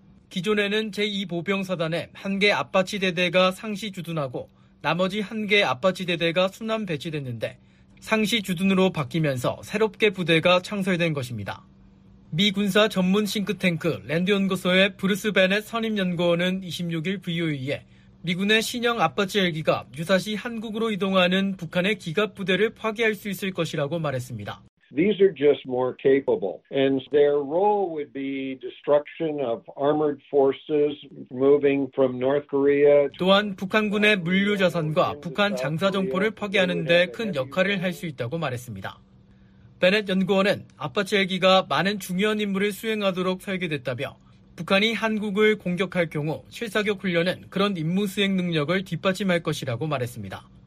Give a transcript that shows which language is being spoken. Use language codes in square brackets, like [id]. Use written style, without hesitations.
[ko] 기존에는 제2보병사단에 한 개 아파치 대대가 상시 주둔하고 나머지 한 개 아파치 대대가 순환 배치됐는데 상시 주둔으로 바뀌면서 새롭게 부대가 창설된 것입니다. 미 군사 전문 싱크탱크 랜드연구소의 브루스 베넷 선임연구원은 26일 VOA에 미군의 신형 아파치 헬기가 유사시 한국으로 이동하는 북한의 기갑 부대를 파괴할 수 있을 것이라고 말했습니다. [en] These are just more capable, and their role would be destruction of armored forces moving from North Korea. [ko] 또한 북한군의 물류 자산과 북한 장사 정포를 파괴하는 데 큰 역할을 할 수 있다고 말했습니다. 베넷 연구원은 아파치 헬기가 많은 중요한 임무를 수행하도록 설계됐다며 북한이 한국을 공격할 경우 실사격 훈련은 그런 임무 수행 능력을 뒷받침할 것이라고 말했습니다.